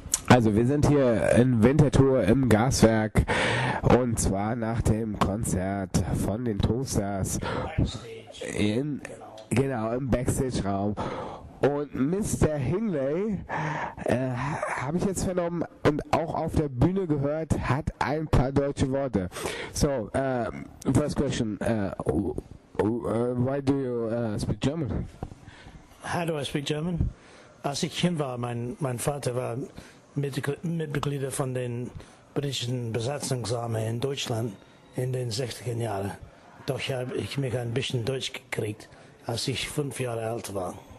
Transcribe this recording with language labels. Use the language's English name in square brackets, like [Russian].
[German] Also wir sind hier in Winterthur im Gaswerk und zwar nach dem Konzert von den Toasters in, genau, im Backstage-Raum. Und Mr. Hingley, habe ich jetzt vernommen und auch auf der Bühne gehört, hat ein paar deutsche Worte. [English] So, first question, why do you speak German? How do I speak German? [German] Als ich Kind war, mein Vater war Mitglieder von den britischen Besatzungsarmee in Deutschland in den 60er Jahren. Doch habe ich mich ein bisschen Deutsch gekriegt, als ich 5 Jahre alt war.